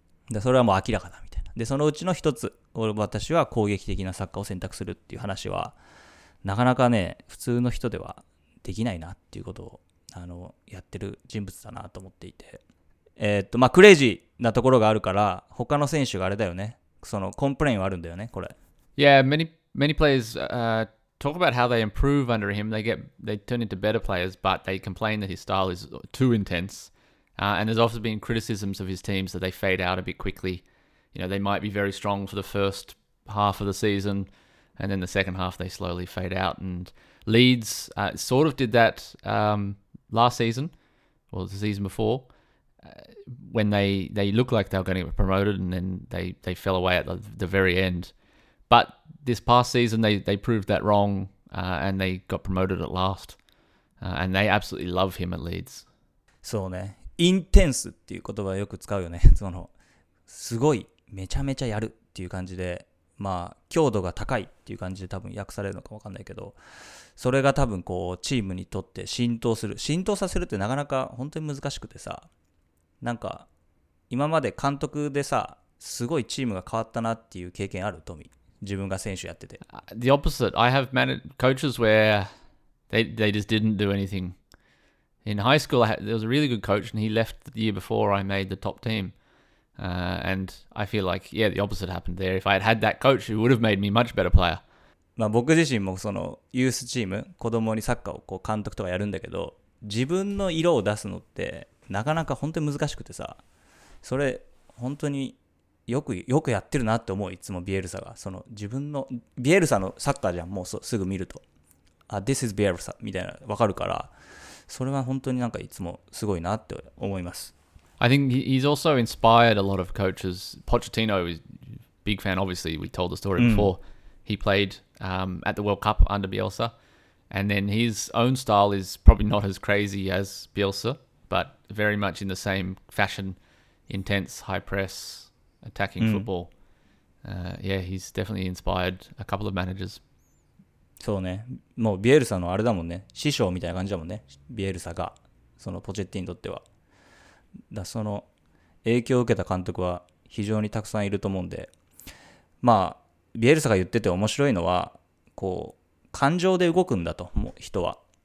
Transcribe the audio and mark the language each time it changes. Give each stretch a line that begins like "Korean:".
Japanese: で、それはもう明らかだみたいな。で、そのうちの一つ、私は攻撃的なサッカーを選択するっていう話は、なかなかね、普通の人ではできないなっていうことを、やってる人物だなと思っていて。まあ、クレイジーなところがあるから、他の選手があれだよね。そのコンプレインはあるんだよね、これ。
English: Yeah, many players talk about how they improve under him. They turn into better players, but they complain that his style is too intense. And there's often been criticisms of his teams that they fade out a bit quickly. You know, they might be very strong for the first half of the season, and then the second half they slowly fade out. And Leeds sort of did that last season, or the season before. When they look like they're going to get promoted and then they fell away at the very end, but this past season they proved that wrong and they got promoted at last and they absolutely love him at Leeds.
Japanese: そうね、インテンスっていう言葉をよく使うよね。そのすごいめちゃめちゃやるっていう感じで、まあ強度が高いっていう感じで多分訳されるのか分かんないけど、それが多分こうチームにとって浸透させるってなかなか本当に難しくてさ。なんか今まで監督でさ、すごいチームが変わったなっていう経験ある、トミー、自分が選手やってて。
English: The opposite. I have managed coaches where they just didn't do anything. In high school, there was a really good coach and he left the year before I made the top team. And I feel like, yeah, the opposite happened there. If I had had that coach, it would have made me much better player.
Japanese: まあ僕自身もそのユースチーム、子供にサッカーをこう監督とかやるんだけど、自分の色を出すのってなかなか本当に難しくてさ、それ本当によくやってるなって思ういつもビエルサがその自分のビエルサのサッカーじゃんもうすぐ見るとあ
English: This is
Japanese: ビエルサみたいなわかるからそれは本当になんかいつもすごいなって思います
English: I think he's also inspired a lot of coaches Pochettino is a big fan obviously we told the story before、うん、he played、at the World Cup under Bielsa and then his own style is probably not as crazy as Bielsa but very much in the same fashion intense high pressAttacking football.、うん yeah, he's definitely inspired a couple of managers.
Japanese: そうね。もうビエルサのあれだもんね。師匠みたいな感じだもんね。ビエルサが。そのポチェッティにとっては。だその影響を受けた監督は非常にたくさんいると思うんで。まあ、ビエルサが言ってて面白いのは、こう、感情で動くんだと、もう人は。